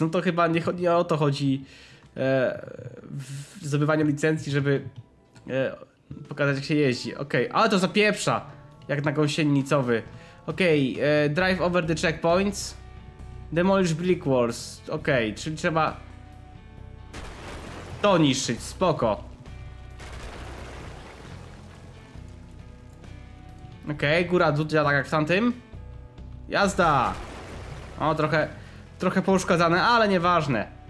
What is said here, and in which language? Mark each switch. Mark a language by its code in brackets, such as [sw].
[pl] No to chyba nie o to chodzi... w zdobywaniu licencji, żeby pokazać, jak się jeździ. Okej, ale to zapieprza jak na gąsienicowy. [en] Okej, drive over the checkpoints, demolish brick walls. [pl] Okej, czyli trzeba to niszczyć, spoko. Okej, góra dół działa tak jak w tamtym. Jazda. O, trochę pouszkadzane, ale nieważne.